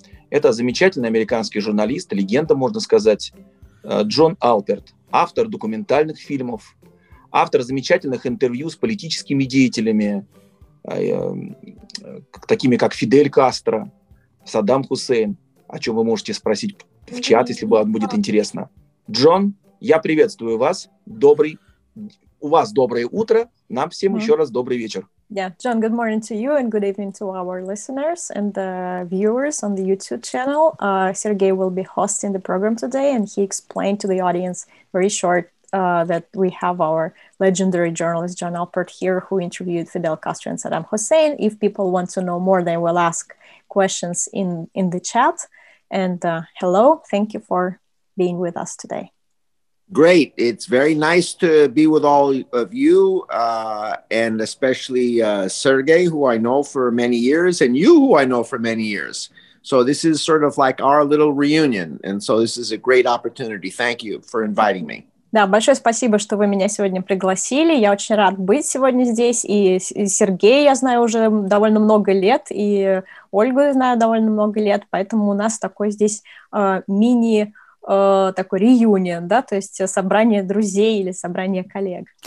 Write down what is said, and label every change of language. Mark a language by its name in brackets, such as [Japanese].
[Russian] Это замечательный американский журналист, легенда, можно сказать, Джон Алперт, автор документальных фильмов, автор замечательных интервью с политическими деятелями, такими как Фидель Кастро, Саддам Хусейн, о чем вы можете спросить в чат, если вам будет интересно. Джон, я приветствую вас. У вас доброе утро. Нам всем еще раз добрый вечер. [English] Yeah, John, good morning to you and good evening to our listeners and the viewers on the YouTube channel. Sergey will be hosting the program today and he explained to the audience very short that we have our legendary journalist John Alpert here who interviewed Fidel Castro and Saddam Hussein. If people want to know more, they will ask questions in the chat. And hello, thank you for being with us today. Great, it's very nice to be with all of you, and especially Sergey, who I know for many years, and you, who I know for many years. So this is sort of like our little reunion, and so this is a great opportunity. Thank you for inviting me. [Russian] Да, большое спасибо, что вы меня сегодня пригласили. Я очень рад быть сегодня здесь. И Сергея я знаю уже довольно много лет, и Ольгу я знаю довольно много лет, поэтому у нас такой здесь такой реюнион, да, то есть собрание друзей или собрание коллег.